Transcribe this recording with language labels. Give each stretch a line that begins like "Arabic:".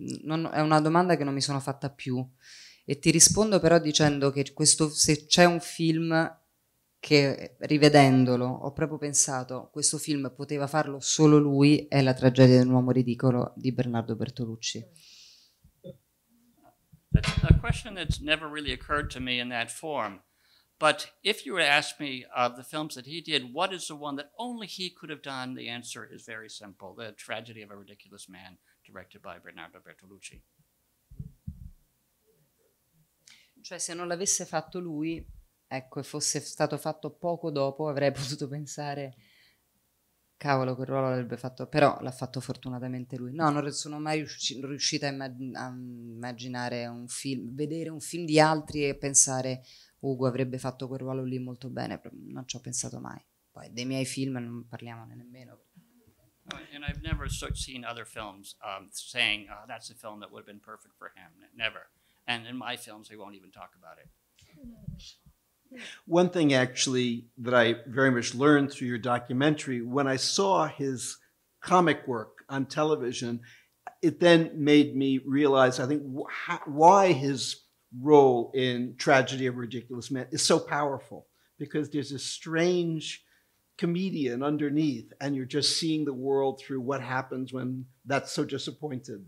Italian: Non, è una domanda che non mi sono fatta più. E ti rispondo però dicendo che questo, se c'è un film che, rivedendolo, ho proprio pensato, questo film poteva farlo solo lui, è La tragedia di un uomo ridicolo di Bernardo Bertolucci.
English: That's a question that's never really occurred to me in that form. But if you were to ask me of the films that he did, what is the one that only he could have done? The answer is very simple. The Tragedy of a Ridiculous Man, directed by Bernardo Bertolucci.
Italian: Cioè, se non l'avesse fatto lui, ecco, e fosse stato fatto poco dopo, avrei potuto pensare, cavolo, quel ruolo l'avrebbe fatto, però l'ha fatto fortunatamente lui. No, non sono mai riuscita a immaginare un film, vedere un film di altri e pensare... Ugo avrebbe fatto quel ruolo lì molto bene, non ci ho pensato mai. Poi dei miei film non parliamone nemmeno.
English: And I've never seen other films saying that's a film that would have been perfect for him. Never. And in my films we won't even talk about it. One thing actually that I very much learned through your documentary, when I saw his comic work on television, it then made me realize, I think, why his role in Tragedy of a Ridiculous Man is so powerful, because there's a strange comedian underneath and you're just seeing the world through what happens when that's so disappointed.